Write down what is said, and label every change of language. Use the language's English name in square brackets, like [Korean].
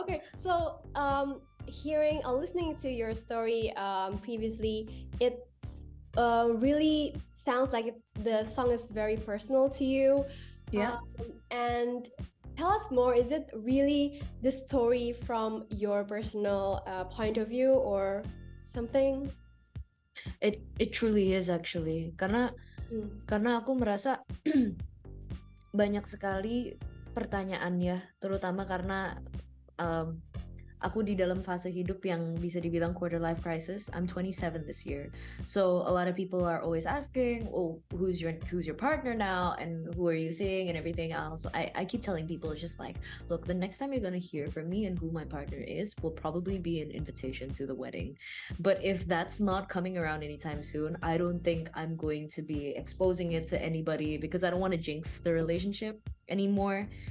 [English] Okay, so hearing or listening to your story previously, it really sounds like the song is very personal to you. Yeah. And tell us more, is it really the story from your personal point of view or something? It truly is, actually. [Indonesian] Karena aku merasa banyak sekali pertanyaan ya, terutama karena aku di dalam fase hidup yang bisa dibilang quarter life crisis. [English] I'm 27 this year, so a lot of people are always asking, oh, who's your partner now and who are you seeing and everything else. I keep telling people, just like, look, the next time you're gonna hear from me and who my partner is will probably be an invitation to the wedding, but if that's not coming around anytime soon, I don't think I'm going to be exposing it to anybody, because I don't want to jinx the relationship anymore.